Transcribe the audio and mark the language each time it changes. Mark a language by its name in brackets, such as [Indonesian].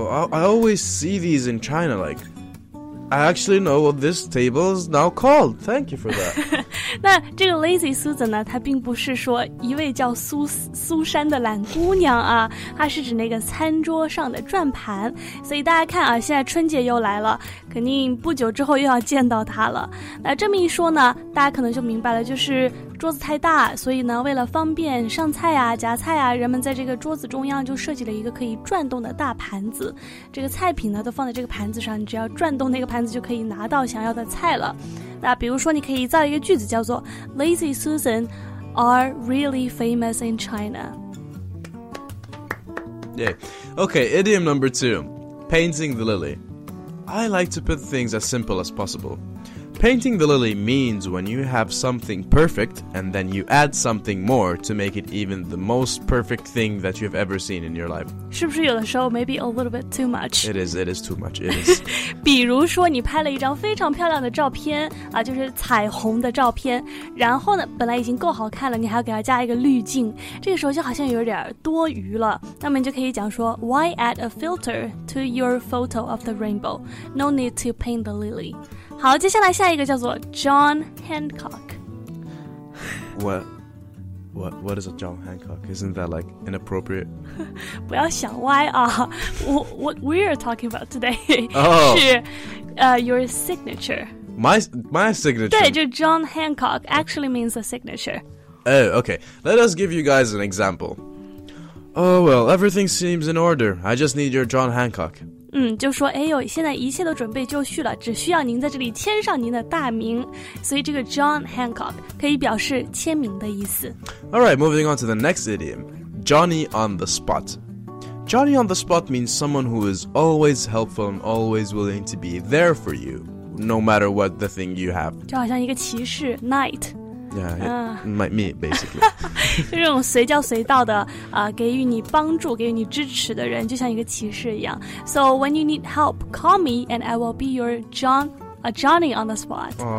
[English] I always see these in China, like, I actually know what this table is now called. Thank you for that. [Chinese] 那这个 lazy Susan 呢，它并不是说一位叫苏珊的懒姑娘啊，它是指那个餐桌上的转盘。所以大家看啊，现在春节又来了，肯定不久之后又要见到它了。那这么一说呢，大家可能就明白了，就是桌子太大，所以呢，为了方便上菜啊、夹菜啊，人们在这个桌子中央就设计了一个可以转动的大盘子。这个菜品呢，都放在这个盘子上，你只要转动那个盘子就可以拿到想要的菜了。那比如说，你可以造一个句子，叫做 [English] "Lazy Susan are really famous in China." Yeah. Okay. Idiom number two: painting the lily. I like to put things as simple as possible. Painting the lily means when you have something perfect and then you add something more to make it even the most perfect thing that you've ever seen in your life. [Chinese] 是不是有的时候 [English] maybe a little bit too much? It is too much, it is. [Chinese] 比如说你拍了一张非常漂亮的照片、就是彩虹的照片，然后呢本来已经够好看了，你还要给它加一个滤镜，这个时候就好像有点多余了。那么你就可以讲说 [English] Why add a filter to your photo of the rainbow? No need to paint the lily. [Chinese] 好，接下来下一个叫做 John Hancock. [English] What is a John Hancock? Isn't that like inappropriate? [Chinese] 不要想歪啊。 [English] What we are talking about today、 oh. [Chinese] 是、 [English] your signature. My signature? [Chinese] 对，就 [English] John Hancock actually means a signature. Oh, okay. Let us give you guys an example. Oh, well, everything seems in order. I just need your John Hancock. [Chinese] 就说哎呦，现在一切都准备就绪了，只需要您在这里签上您的大名。所以这个 John Hancock 可以表示签名的意思。 [English] Alright, moving on to the next idiom, Johnny on the spot. Johnny on the spot means someone who is always helpful and always willing to be there for you, no matter what the thing you have. [Chinese] 就好像一个骑士 Knight. [English] Yeah, me, basically. [Chinese] 就这种随叫随到的、给予你帮助给予你支持的人，就像一个骑士一样。 [English] So when you need help, call me and I will be your Johnny on the spot.